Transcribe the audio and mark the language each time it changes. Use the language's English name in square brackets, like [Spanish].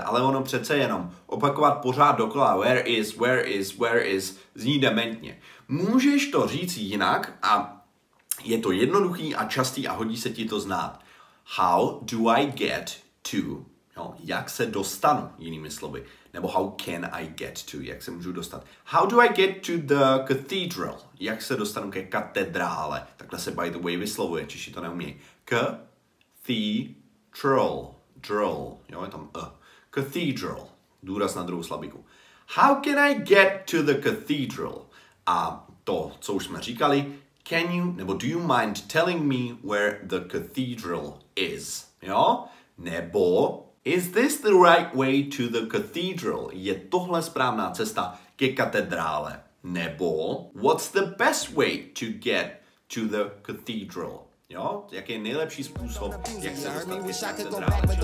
[Czech] Ale ono přece jenom opakovat pořád dokola, [English] where is, [Czech] zní dementně. Můžeš to říct jinak a je to jednoduchý a častý a hodí se ti to znát. [English] How do I get to? [Czech] Jo, jak se dostanu, jinými slovy. Nebo [English] how can I get to? [Czech] Jak se můžu dostat? [English] How do I get to the cathedral? [Czech] Jak se dostanu ke katedrále? Takhle se [English] by the way [Czech] vyslovuje, Češi to neumějí. Cathedral. Drl. Jo, je tam a. Cathedral. Důraz na druhou slabiku. [English] How can I get to the cathedral? [Czech] A to, co už jsme říkali, [English] can you, [Czech] nebo [English] do you mind telling me where the cathedral is? [Czech] Jo? Nebo, [English] is this the right way to the cathedral? [Czech] Je tohle správná cesta ke katedrále? nebo [English] what's the best way to get to the cathedral? [Czech] Jo, jaký je nejlepší způsob, jak se dostat ke katedrále?